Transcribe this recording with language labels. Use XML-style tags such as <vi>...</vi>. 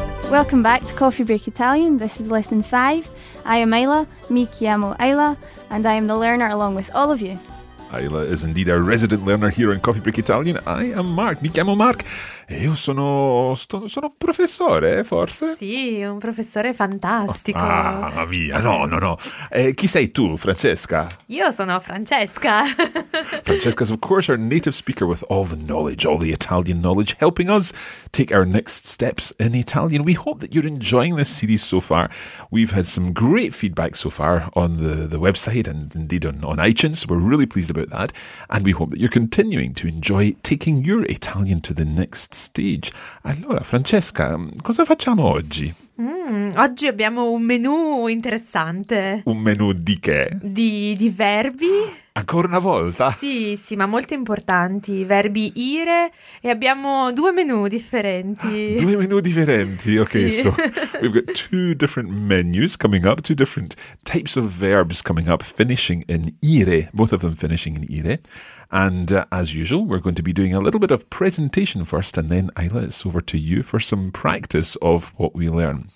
<en>Welcome back to Coffee Break Italian. This is Lesson 5. I am Ayla,</en> <it>mi chiamo Ayla,</it> <en>and I am the learner along with all of you. Ayla is indeed a resident learner here in Coffee Break Italian. I am Mark,</en> <it>mi chiamo Mark. E io sono professore, forse? Sì, un professore fantastico. Oh, mamma mia, no. Chi sei tu, Francesca? Io sono Francesca.</it> <en>Francesca is, of course, our native speaker with all the knowledge, all the Italian knowledge, helping us take our next steps in Italian. We hope that you're enjoying this series so far. We've had some great feedback so far on the website and indeed on iTunes. We're really pleased about that. And we hope that you're continuing to enjoy taking your Italian to the next stage.</en> <it>Allora, Francesca, cosa facciamo oggi? Oggi abbiamo un menù interessante. Un menù di che? Di verbi. Ancora una volta? Sì, ma molto importanti. Verbi ire e abbiamo due menù differenti. Due menù differenti, ok. Sì.</it> <en>So we've got two different menus coming up, two different types of verbs coming up, finishing in ire, both of them finishing in ire. And as usual, we're going to be doing a little bit of presentation first, and then Ayla, it's over to you for some practice of what we learn.</en>